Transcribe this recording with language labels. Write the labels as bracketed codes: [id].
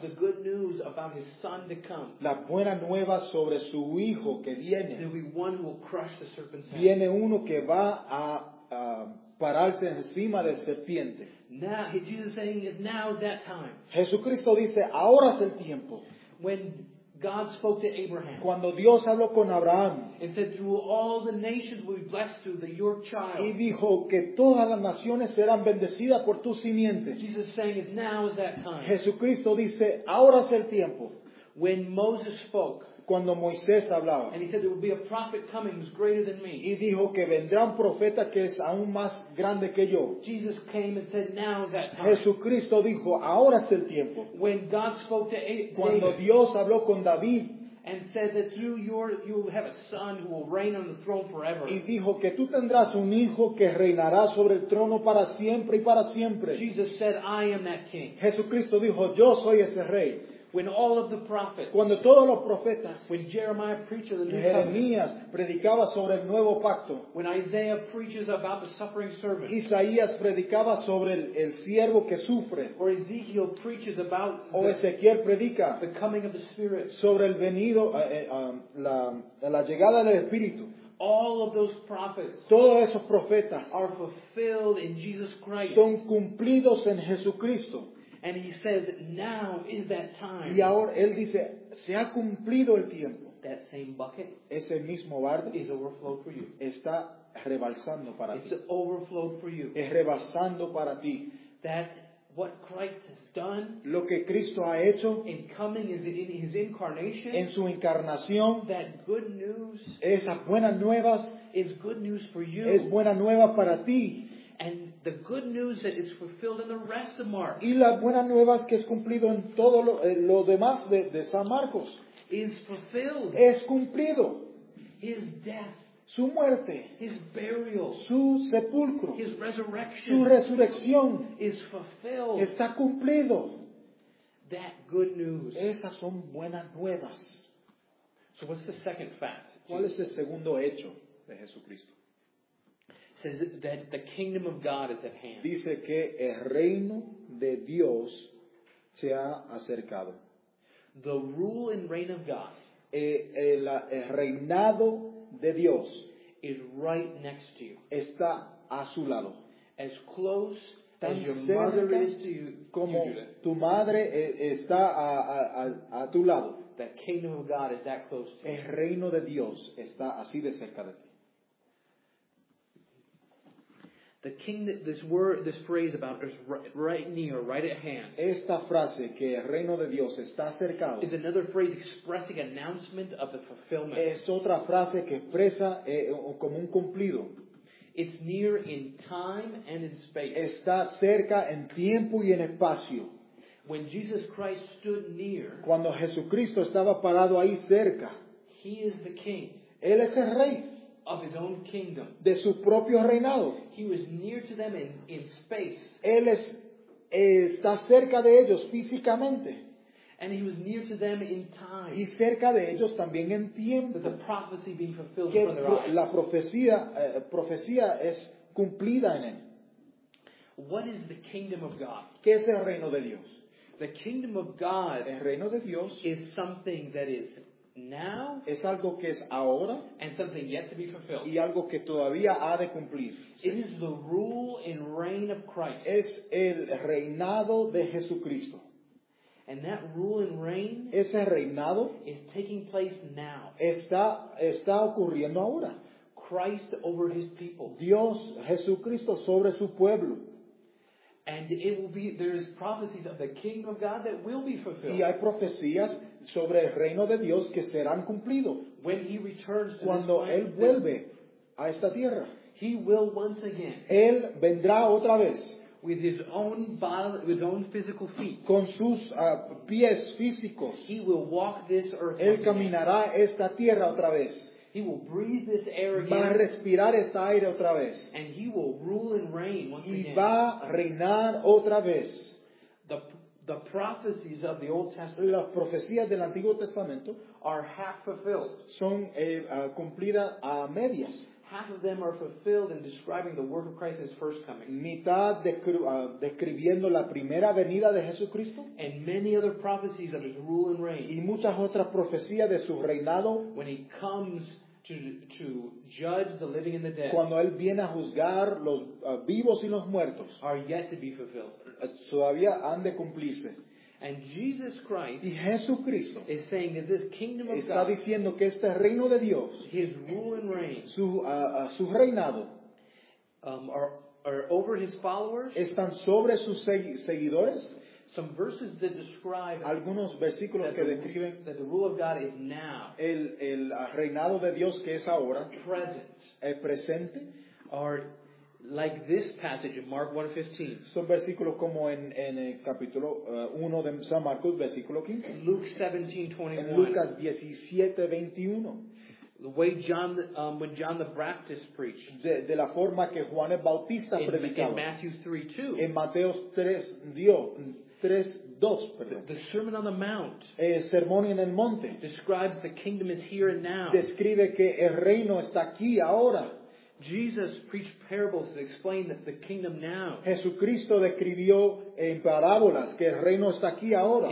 [en] The good news about his son to come. [es] La buena nueva sobre su hijo que viene. [en] There will be one who will crush the serpent's head. [es] Viene uno que va a pararse encima del serpiente. [en] Now, Jesus is saying, now is that time. [es] Jesucristo dice, ahora es el tiempo. [en] When God spoke to Abraham. [es] Cuando Dios habló con Abraham. [en] And said, through all the nations will be blessed through the, your child. [es] Y dijo que todas las naciones serán bendecidas por tu simiente. [en] Jesus is saying, now is that time. [es] Jesucristo dice, ahora es el tiempo. [en] When Moses spoke. [es] Cuando Moisés hablaba. [en] And he said, there will be a prophet coming who's greater than me. [es] Y dijo que vendrá un profeta que es aún más grande que yo. [en] Jesus came and said, now is that time. [es] Jesucristo dijo, ahora es el tiempo. [en] When God spoke to David. [es] Cuando Dios habló con David. [en] And said that through you will have a son who will reign on the throne forever. [es] Y dijo que tú tendrás un hijo que reinará sobre el trono para siempre y para siempre. [en] Jesus said, I am that king. [es] Jesucristo dijo, yo soy ese rey. [en] When all of the prophets, [es] cuando todos los profetas, [en] when Jeremiah preached the new covenant, [es] Jeremías predicaba sobre el nuevo pacto, [en] when Isaiah preaches about the suffering servant, [es] Isaías predicaba sobre el siervo que sufre, [en] or Ezekiel preaches about, [es] o Ezequiel predica, [en] the coming of the Spirit, [es] sobre el venido, la llegada del Espíritu. [en] All of those prophets, [es] todos esos profetas, [en] are fulfilled in Jesus Christ, [es] son cumplidos en Jesucristo. [en] And he says, now is that time. [es] Y ahora él dice, se ha cumplido el tiempo. [en] That same bucket, [es] ese mismo barde, [en] is overflowed for you. [es] Está rebalsando para [en] it's [es] ti. [en] It's overflowed for you. [es] Es rebalsando para ti. [en] That what Christ has done, [es] lo que Cristo ha hecho, [en] in coming is in his incarnation, [es] en su encarnación, [en] that good news, [es] esas buenas nuevas, [en] is good news for you. [es] Es buena nueva para ti. [en] And the good news that is fulfilled in the rest of Mark. [es] Y la buena nueva que es cumplido en todo lo demás de San Marcos. [en] Is fulfilled. [es] Es cumplido. [en] His death. [es] Su muerte. [en] His burial. [es] Su sepulcro. [en] His resurrection. [es] Su resurrección. [en] Is fulfilled. [es] Está cumplido. [en] That good news. [es] Esas son buenas nuevas. [en] So what's the second fact? [es] ¿Cuál es el segundo hecho de Jesucristo? [en] says that the kingdom of God is at hand. [es] Dice que el reino de Dios se ha acercado. [en] The rule and reign of God. [es] El reinado de Dios [en] is right next to you. [es] Está a su lado. [en] As close as your mother is to you, [es] como tu madre está a tu lado. [en] The kingdom of God is that close to you. [es] El reino de Dios está así de cerca de ti. [en] The kingdom, this word, this phrase about is right near, right at hand. [es] Esta frase que el reino de Dios está acercado [en] is another phrase expressing announcement of the fulfillment. [es] Es otra frase que expresa como un cumplido. [en] It's near in time and in space. [es] Está cerca en tiempo y en espacio. [en] When Jesus Christ stood near, [es] cuando Jesucristo estaba parado ahí cerca, [en] he is the king. [es] Él es el rey. [en] Of his own kingdom. [es] De su propio reinado. [en] He was near to them in space. [es] Él es, está cerca de ellos físicamente. [en] And he was near to them in time. [es] Y cerca de ellos también en tiempo. [en] That the prophecy being fulfilled [es] que [en] from their eyes. [es] La profecía es cumplida en él. [en] What is the kingdom of God? [es] ¿Qué es el reino de Dios? [en] The kingdom of God, [es] el reino de Dios, [en] is something that is now, [es] es algo que es ahora, [en] and something yet to be fulfilled, [es] y algo que todavía ha de cumplir. [en] It is the rule and reign of Christ. [es] Es el reinado de Jesucristo. [en] And that rule and reign, [es] ese reinado, [en] is taking place now. [es] Está ocurriendo ahora. [en] Christ over his people. [es] Dios, Jesucristo sobre su pueblo. [en] And it will be, there is prophecies of the kingdom of God that will be fulfilled. [es] Y hay profecías sobre el reino de Dios que serán cumplido. [en] When he returns to [es] cuando [en] this [es] él vuelve a esta tierra, [en] he will once again, [es] él vendrá otra vez [en] with his own body, with his own physical feet, [es] con sus pies físicos. [en] He will walk this earth [es] él caminará [en] again. [es] Esta tierra otra vez. [en] He will breathe this air again. [es] Va a respirar este aire otra vez. [en] And he will rule and reign once [es] y [en] again. [es] Va a reinar otra vez. [en] The prophecies of the Old Testament, [es] las profecías del Antiguo Testamento, [en] are half fulfilled. [es] Son cumplidas a medias. [en] Half of them are fulfilled in describing the work of Christ's first coming. [es] Mitad describiendo la primera venida de Jesucristo. [en] And many other prophecies of his rule and reign. [es] Y muchas otras profecías de su reinado. [en] When he comes to judge the living and the dead. [es] Cuando él viene a juzgar los vivos y los muertos. [en] Are yet to be fulfilled. [es] Todavía han de cumplirse. [en] And Jesus Christ, [es] y Jesucristo, [en] is saying that this kingdom of God, [es] está diciendo que este reino de Dios, [en] his rule and reign, [es] su reinado, [en] are over his followers, [es] están sobre sus seguidores. [en] Some verses that describe [es] algunos versículos [en] that [es] que describen [en] that the rule of God is now, [es] el reinado de Dios que es ahora, [en] present, [es] el presente, [en] are like this passage in Mark 1:15. [es] Son versículos como en el capítulo 1 de San Marcos, versículo 15. [en] Luke 17:21. [es] Lucas 17:21. [en] The way John, when John the Baptist preached. [es] De la forma que Juan el Bautista predicaba. [en] In Matthew 3:2. [es] En Mateo 3:2, perdón. [en] The Sermon on the Mount. [es] El sermón en el monte. [en] Describes the kingdom is here and now. [es] Describe que el reino está aquí ahora. [en] Jesus preached parables to explain that the kingdom now. [es] Jesucristo describió en parábolas que el reino está aquí ahora.